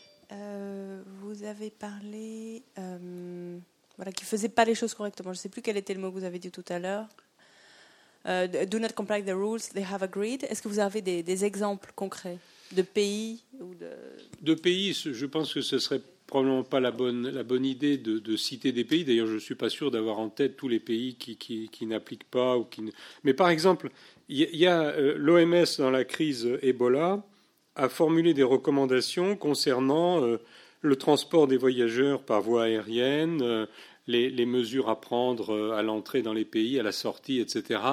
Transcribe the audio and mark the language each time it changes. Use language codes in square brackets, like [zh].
[fr] Vous avez parlé qui ne faisait pas les choses correctement, je ne sais plus quel était le mot que vous avez dit tout à l'heure. [en] Do not comply with the rules they have agreed. [fr] Est-ce que vous avez des exemples concrets de pays ou de pays? Je pense que ce serait probablement pas la bonne idée de citer des pays. D'ailleurs, je ne suis pas sûr d'avoir en tête tous les pays qui n'appliquent pas. Mais par exemple, il y a l'OMS, dans la crise Ebola, a formulé des recommandations concernant le transport des voyageurs par voie aérienne, les mesures à prendre à l'entrée dans les pays, à la sortie, etc.